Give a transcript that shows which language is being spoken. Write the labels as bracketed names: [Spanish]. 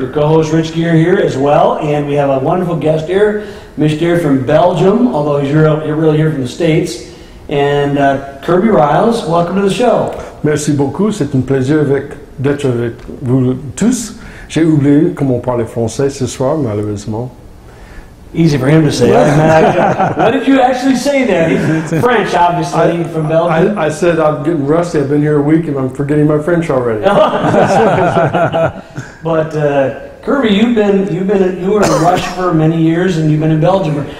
[English] Your co-host, Rich Gear, here as well. And we have a wonderful guest here, missionary from Belgium, although you're really here from the States. And Kerby Rials, welcome to the show. [French] Merci beaucoup. C'est un plaisir d'être avec vous tous. J'ai oublié comment on parlait français ce soir, malheureusement. [English] Easy for him to say. What did you actually say then? French, obviously, from Belgium. I said I'm getting rusty. I've been here a week and I'm forgetting my French already. But Kerby, you were in Russia for many years and you've been in Belgium.